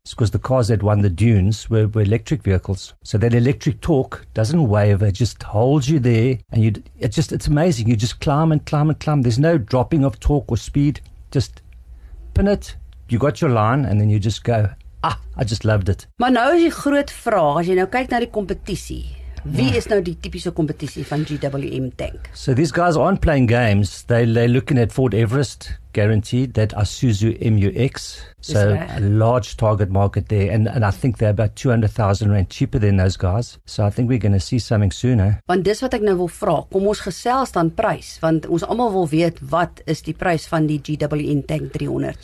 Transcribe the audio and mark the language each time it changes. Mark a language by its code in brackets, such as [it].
[en] It's because the cars that won the dunes were electric vehicles. So that electric torque doesn't waver. It just holds you there. And it's amazing. You just climb and climb and climb. There's no dropping of torque or speed. Just pin it. You got your line. And then you just go, I just loved it. [af] Maar nou is die groot vraag, as jy nou kyk na die kompetisie. Wie is nou die typiese kompetisie van GWM tank? [en] So these guys aren't playing games. They're looking at Ford Everest, guaranteed, that Isuzu MU-X. So a large target market there. And I think they're about 200,000 rand cheaper than those guys. So I think we're going to see something sooner. [af] Want dis wat ek nou wil vra, kom ons gesels dan prys. Want ons allemaal wil weet, wat is die prys van die GWM tank 300?